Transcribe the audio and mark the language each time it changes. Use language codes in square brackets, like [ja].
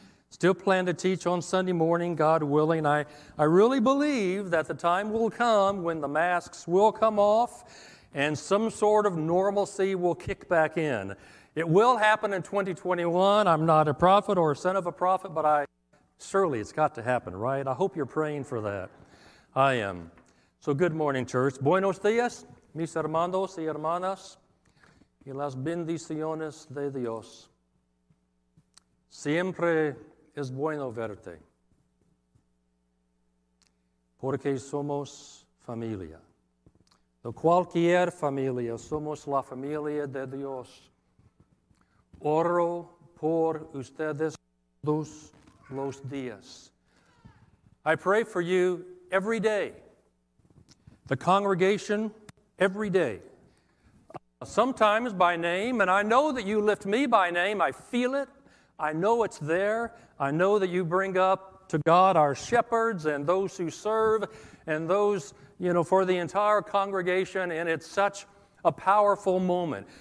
[en] Still plan to teach on Sunday morning, God willing. I really believe that the time will come when the masks will come off and some sort of normalcy will kick back in. It will happen in 2021. I'm not a prophet or a son of a prophet, but surely it's got to happen, right? I hope you're praying for that. I am. So good morning, church. [es] Buenos dias, mis hermanos y hermanas, y las bendiciones de Dios. Siempre es bueno verte, porque somos familia. De cualquier familia, somos la familia de Dios. Oro por ustedes todos los días. [en] I pray for you every day. The congregation, every day. Sometimes by name, and I know that you lift me by name. I feel it. I know it's there. I know that you bring up to God our shepherds and those who serve and those, you know, for the entire congregation, and it's such a powerful moment.